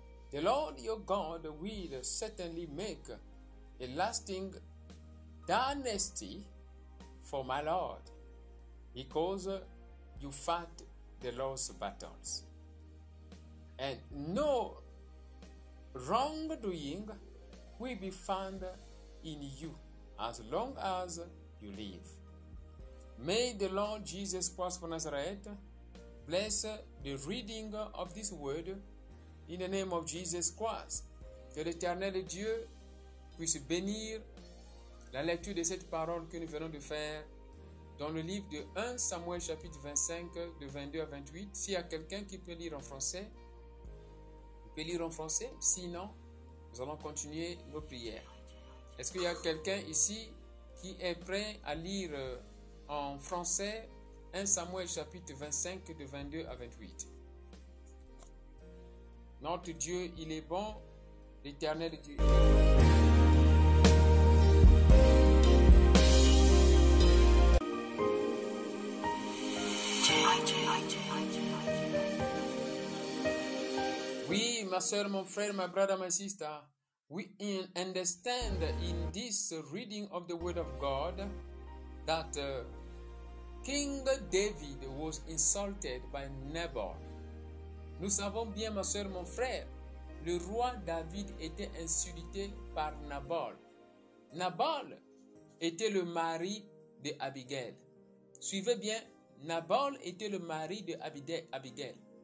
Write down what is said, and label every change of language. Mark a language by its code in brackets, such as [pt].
[en] The Lord your God will certainly make a lasting dynasty for my lord, because you fought the Lord's battles, and no wrongdoing will be found in you as long as you live. May the Lord Jesus Christ of Nazareth bless the reading of this word in the name of Jesus Christ. [fr] Que l'Éternel Dieu puisse bénir la lecture de cette parole que nous venons de faire dans le livre de 1 Samuel chapitre 25 de 22 à 28. S'il y a quelqu'un qui peut lire en français, vous pouvez lire en français. Sinon, nous allons continuer nos prières. Est-ce qu'il y a quelqu'un ici qui est prêt à lire en français 1 Samuel chapitre 25 de 22 à 28? Notre Dieu, il est bon, l'Éternel Dieu. Oui, ma soeur, mon frère, [en] my brother, my sister, we understand in this reading of the Word of God that King David was insulted by Nabal. [fr] Nous savons bien, ma soeur, mon frère, le roi David était insulté par Nabal. Nabal était le mari de Abigail. Suivez bien, Nabal était le mari de Abigail.